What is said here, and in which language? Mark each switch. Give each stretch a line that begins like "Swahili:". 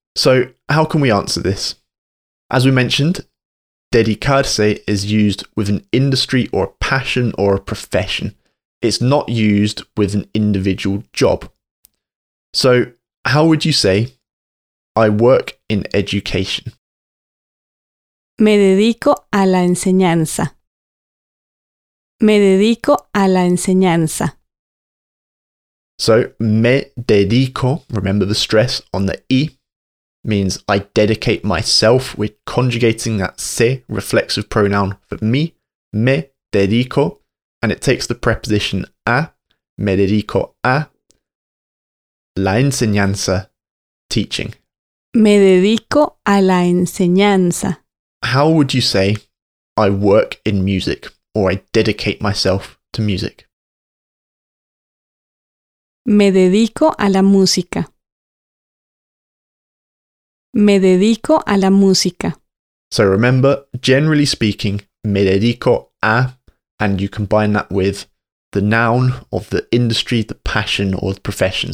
English: So how can we answer this? As we mentioned, dedicarse is used with an industry or a passion or a profession. It's not used with an individual job. So how would you say, I work in education?
Spanish: Me dedico a la enseñanza. Me dedico a la enseñanza.
English: So me dedico, remember the stress on the I, means I dedicate myself. We're conjugating that se, reflexive pronoun, for me, me dedico, and it takes the preposition a, me dedico a, la enseñanza, teaching.
Spanish: Me dedico a la enseñanza.
English: How would you say, I work in music, or I dedicate myself to music?
Spanish: Me dedico a la música. Me dedico a la música.
English: So remember, generally speaking, me dedico a, and you combine that with the noun of the industry, the passion, or the profession.